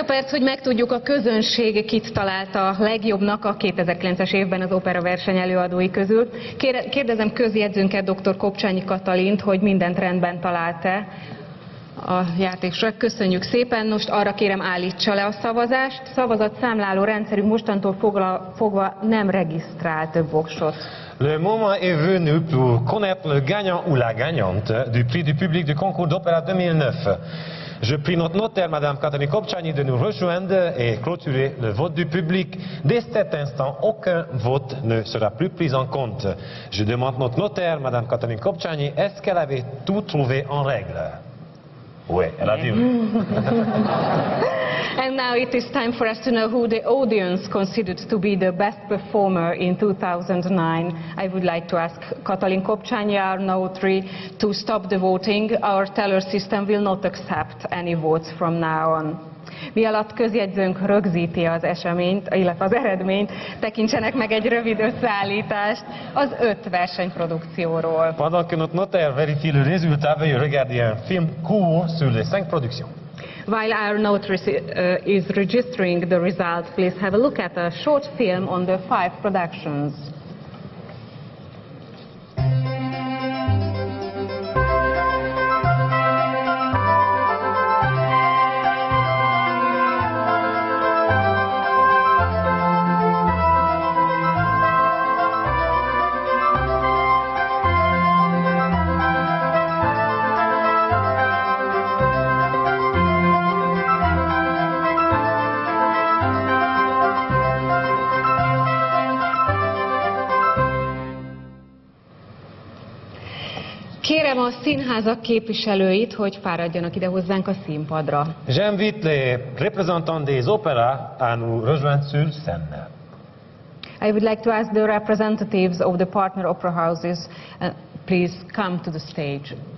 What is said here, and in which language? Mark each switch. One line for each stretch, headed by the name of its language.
Hungarian: Hogy megtudjuk a közönség, kit találta a legjobbnak a 2009-es évben az opera verseny előadói közül. Kérdezem közjegyzőnket, dr. Kopcsányi Katalint, hogy mindent rendben talált-e a játékosra. Köszönjük szépen. Most arra kérem, állítsa le a szavazást. Szavazatszámláló rendszerünk mostantól fogva nem regisztrál több voksot.
French: Le moment est venu pour connaître le gagnant ou la gagnante du prix du public du concours d'opéra 2009. Je prie notre notaire, Madame Katalin Kopcsányi, de nous rejoindre et clôturer le vote du public. Dès cet instant, aucun vote ne sera plus pris en compte. Je demande notre notaire, Madame Katalin Kopcsányi, est-ce qu'elle avait tout trouvé en règle? Oui, elle a dit oui.
English: And now it is time for us to know who the audience considered to be the best performer in 2009. I would like to ask Katalin Kopchanya, our notary, to stop the voting. Our teller system will not accept any votes from now on.
Hungarian: Mi alatt közjegyzőnk rögzíti az eseményt, illetve az eredményt, tekintsenek meg egy rövid összeállítást az öt versenyprodukcióról.
French: Pendant que notre notaire vérifie le résultat, veuillez regarder un film court sur les cinq productions.
English: While our notary is registering the result, please have a look at a short film on the five productions.
Hungarian: Kérem a színházak képviselőit, hogy fáradjanak ide hozzánk a színpadra.
French: J'invite les représentants des opéras à nous rejoindre sur scène.
English: I would like to ask the representatives of the partner opera houses, please come to the stage.